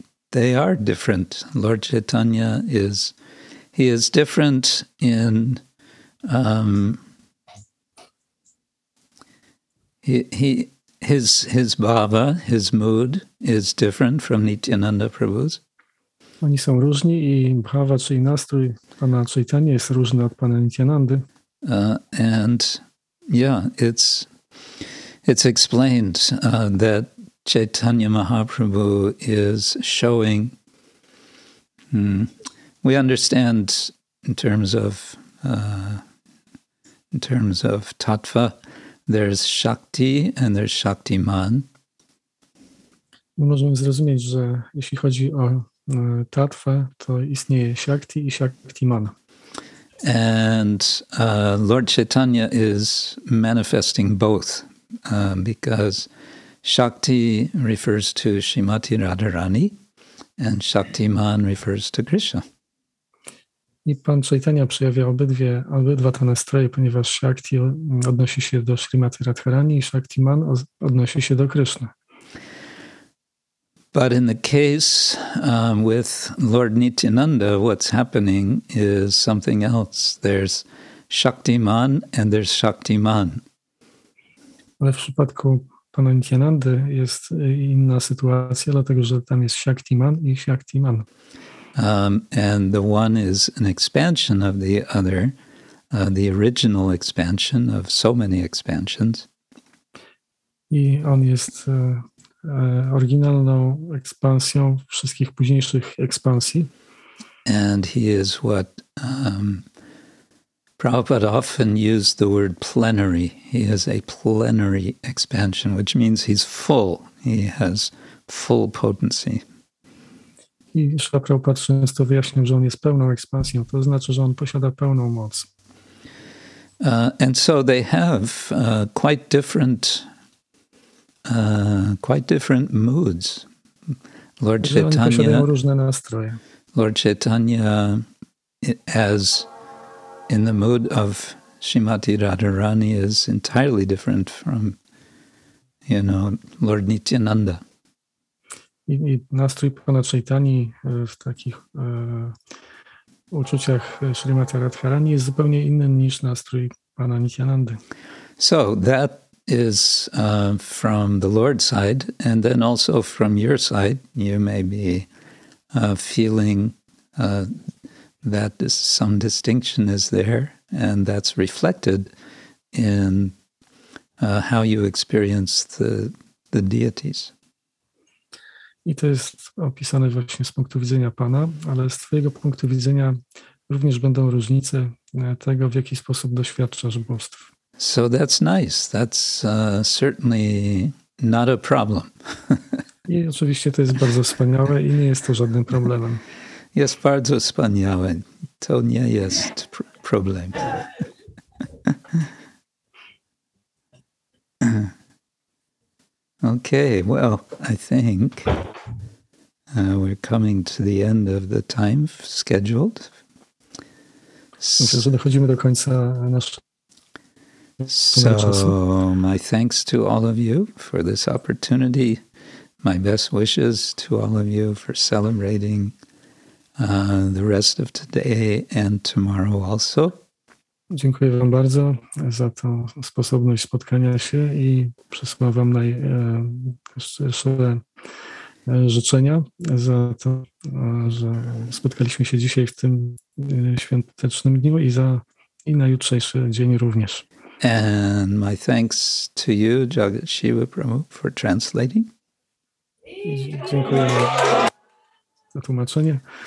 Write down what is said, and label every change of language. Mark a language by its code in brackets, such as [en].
[en] They are different. Lord Chaitanya is, he is different in, his bhava, his mood is different from Nityananda Prabhu's. [pl] Oni są różni i bhava, czyli nastrój pana Chaitanya jest różny od pana Nityanandy. [en] And yeah, it's explained that Chaitanya Mahaprabhu is showing. We understand in terms of tattva, there's shakti and there's shaktiman. [pl] My możemy zrozumieć, że jeśli chodzi o tattwę, to istnieje shakti i shaktiman. [en] And Lord Chaitanya is manifesting both, because shakti refers to Srimati Radharani and shaktiman refers to Krishna. [pl] I pan Chaitanya przejawia obydwa te nastroje, ponieważ shakti odnosi się do Srimati Radharani i shaktiman odnosi się do Krishna. [en] But in the case with Lord Nityananda, what's happening is something else. There's shaktiman and there's shaktiman. [pl] Ale w przypadku pana Nityanandy jest inna sytuacja, dlatego że tam jest shaktiman i shaktiman. [en] And the one is an expansion of the other, the original expansion of so many expansions. [pl] I on jest oryginalną ekspansją wszystkich późniejszych ekspansji. [en] And he is what Prabhupada often used the word plenary. He is a plenary expansion, which means he's full. He has full potency. [pl] I Śrīla Prabhupāda często wyjaśniał, że on jest pełną ekspansją. To znaczy, że on posiada pełną moc. [en] And so they have quite different moods. [pl] Lord Chaitanya, oni posiadają różne nastroje. [en] Lord Chaitanya as in the mood of Srimati Radharani is entirely different from, you know, Lord Nityananda. [pl] I nastrój pana Chaitani w takich uczuciach Srimati Radharani jest zupełnie inny niż nastrój pana Nityanandy. [en] So that is from the Lord's side, and then also from your side, you may be feeling that some distinction is there, and that's reflected in how you experience the deities. [pl] I to jest opisane właśnie z punktu widzenia Pana, ale z Twojego punktu widzenia również będą różnice tego, w jaki sposób doświadczasz bóstw. [en] So that's nice. That's certainly not a problem. [pl] I oczywiście to jest bardzo wspaniałe i nie jest to żadnym problemem. Jest bardzo wspaniałe. To nie jest problem. [en] Okay, well, I think we're coming to the end of the time scheduled. So, my thanks to all of you for this opportunity. My best wishes to all of you for celebrating the rest of today and tomorrow also. [pl] Dziękuję wam bardzo za tą sposobność spotkania się i przesyłam wam najszczersze życzenia za to, że spotkaliśmy się dzisiaj w tym świątecznym dniu i na jutrzejszy dzień również. [en] And my thanks to you, Jagat Shiva Prabhu, for translating. [pl] Dziękuję za tłumaczenie.